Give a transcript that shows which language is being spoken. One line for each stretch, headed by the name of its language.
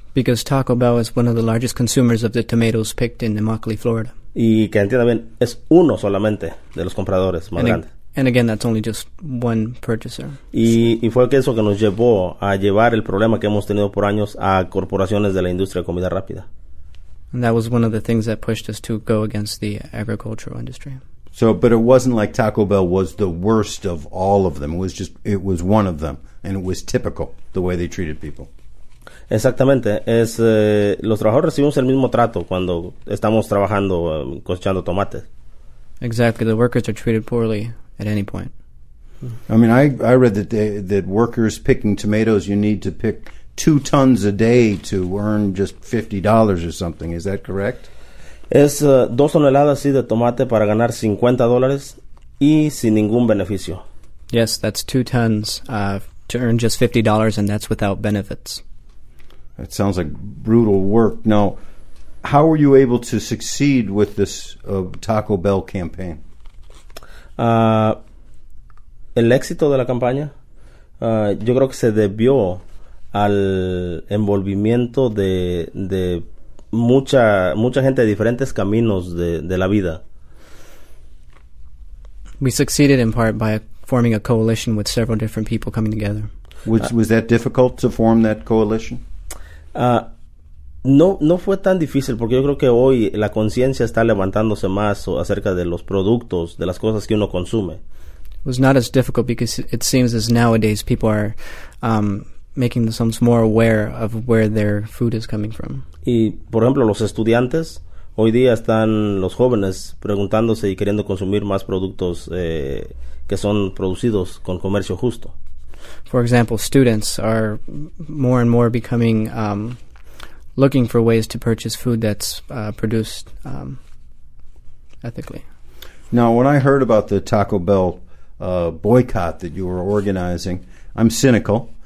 English: Because Taco Bell is one of the largest consumers of the tomatoes picked in Immokalee, Florida.
Spanish: Y que entienda bien, es uno solamente de los compradores más grandes.
English: And again, that's only just one purchaser.
Spanish: Y fue que eso que nos llevó a llevar el problema que hemos tenido por años a corporaciones de la industria de comida rápida.
English: And that was one of the things that pushed us to go against the agricultural industry. So, but it wasn't like Taco Bell was the worst of all of them. It was one of them. And it was typical, the way they treated people.
Spanish: Exactamente. Los trabajadores recibimos el mismo trato cuando estamos trabajando, cosechando tomates.
English: Exactly. The workers are treated poorly at any point. I mean, I read that that workers picking tomatoes, you need to pick 2 tons a day to earn just $50 or something. Is that correct?
Spanish: Es 2 toneladas, sí, de tomate para ganar $50 y sin ningún beneficio.
English: Yes, that's 2 tons to earn just $50, and that's without benefits. That sounds like brutal work. Now, how were you able to succeed with this Taco Bell campaign?
Spanish: El éxito de la campaña, yo creo que se debió al envolvimiento de mucha gente de diferentes caminos de la vida.
English: We succeeded in part by forming a coalition with several different people coming together. Was that difficult to form that coalition?
Spanish: No fue tan difícil, porque yo creo que hoy la conciencia está levantándose más acerca de los productos, de las cosas que uno consume.
English: It was not as difficult because it seems as nowadays people are making themselves more aware of where their food is coming from.
Spanish: Y, por ejemplo, los estudiantes, hoy día están los jóvenes preguntándose y queriendo consumir más productos que son producidos con comercio justo.
English: For example, students are more and more becoming looking for ways to purchase food that's produced ethically. Now, when I heard about the Taco Bell boycott that you were organizing, I'm cynical.